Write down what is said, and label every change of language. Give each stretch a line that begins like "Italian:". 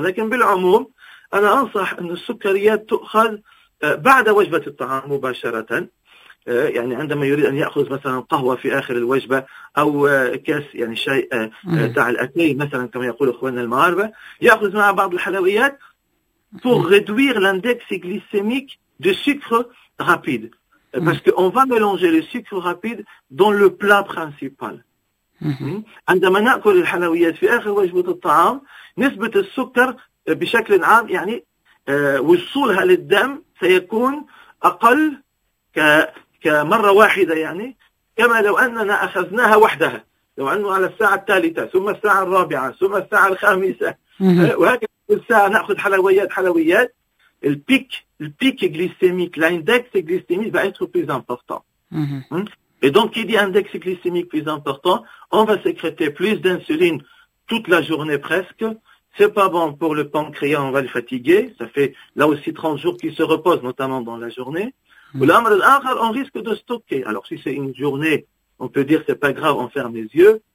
Arabic: لكن بالعموم أنا أنصح أن السكريات تؤخذ بعد وجبة الطعام مباشرة، يعني عندما يريد أن يأخذ مثلا قهوة في آخر الوجبة أو كاس يعني شاي تاع الأتاي مثلا كما يقول إخواننا المغاربة، يأخذ مع بعض الحلويات
French: pour réduire l'index glycémique de sucre rapide. Parce qu'on va mélanger le sucre rapide dans le plat principal.
Arabic: عندما نأكل الحلويات في آخر وجبة الطعام نسبة السكر بشكل عام يعني وصولها للدم سيكون أقل كمرة واحدة، يعني كما لو أننا أخذناها وحدها، لو أنه على الساعة الثالثة ثم الساعة الرابعة ثم الساعة الخامسة وهكذا كل ساعة نأخذ حلويات
French: البيك غليسيميك الاندكس غليسيميك
Arabic: بيصير
French: plus important. Et donc qui dit index glycémique plus important, on va sécréter plus d'insuline toute la journée presque. C'est pas bon pour le pancréas, on va le fatiguer. Ça fait là aussi 30 jours qu'il se repose, notamment dans la journée. On risque de stocker. Alors si c'est une journée, on peut dire c'est pas grave, on ferme les yeux.